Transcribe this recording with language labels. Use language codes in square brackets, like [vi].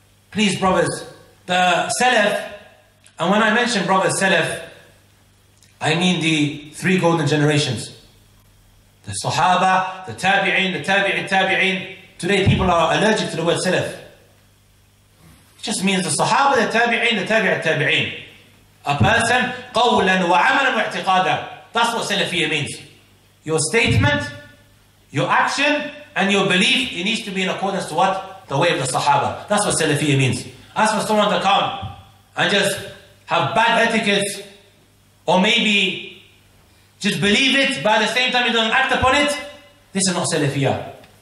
[en] Please, brothers, the Salaf, and when I mention brothers Salaf, I mean the three golden generations. The Sahaba, the Tabi'in, the Tabi'in, Tabi'in. Today people are allergic to the word Salaf. It just means the Sahaba, the Tabi'in, the Tabi'in, Tabi'in. A person, [ar] قولاً وعملاً واعتقاداً. [en] That's what Salafiyya means. Your statement, your action, and your belief, it needs to be in accordance to what? The way of the Sahaba. That's what Salafiyya means. As for someone to come and just have bad etiquette, or maybe just believe it, but at the same time you don't act upon it, this is not Salafiyya.